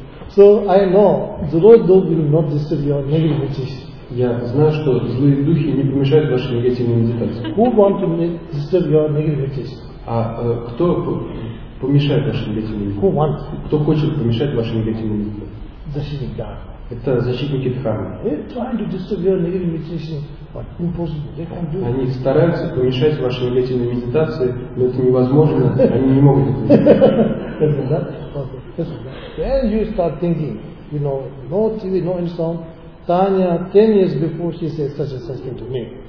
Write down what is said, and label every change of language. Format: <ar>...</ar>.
<en>So I know the Lord will not disturb your negative meditation.</en> <ru>Я знаю, что злые духи не помешают вашей негативной медитации.</ru> <en>Who want to disturb your negative meditation?</en> <ru>А кто помешает вашей негативной медитации?</ru> <en>Who want?</en> <ru>Кто хочет помешать вашей негативной медитации? Защитник дхармы. Это защитники дхармы.</ru> <en>They trying to disturb your negative meditation, but impossible. They can't do it.</en> <ru>Они стараются помешать вашей негативной медитации, но это невозможно. Они не могут это сделать.</ru> <en>Then you start thinking, you know, no TV, no sound. Tanya, 10 years before, she said such and such thing to me.</en>